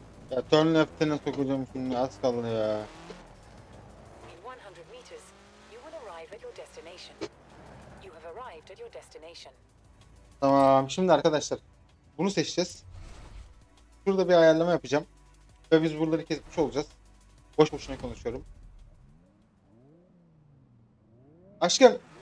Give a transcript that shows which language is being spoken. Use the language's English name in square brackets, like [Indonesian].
[Turkish] Ya [English] turn left'e [Turkish] nasıl okuyacağım şimdi, az kaldı ya. [English] In 100 meters, you will arrive at your destination. You have arrived at your destination. [Turkish] Tamam, şimdi arkadaşlar bunu seçeceğiz. Şurada bir ayarlama yapacağım. Ve biz buraları kesmiş olacağız. Boş boşuna konuşuyorum. Aşkım.